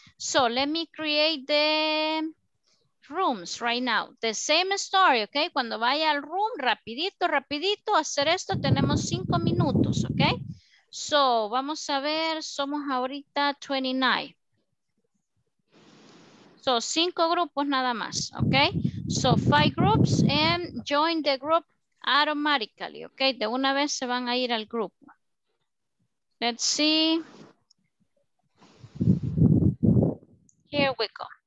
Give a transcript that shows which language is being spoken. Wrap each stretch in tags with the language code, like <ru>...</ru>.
<en>So, let me create the rooms right now. The same story, ¿ok?</en> <es>Cuando vaya al room, rapidito, hacer esto, tenemos 5 minutos, ¿ok? So, vamos a ver, somos ahorita 29. So, 5 grupos nada más, okay?</es> <en>So, 5 groups and join the group automatically, okay?</en> <es>De una vez se van a ir al grupo.</es> <en>Let's see. Here we go.</en>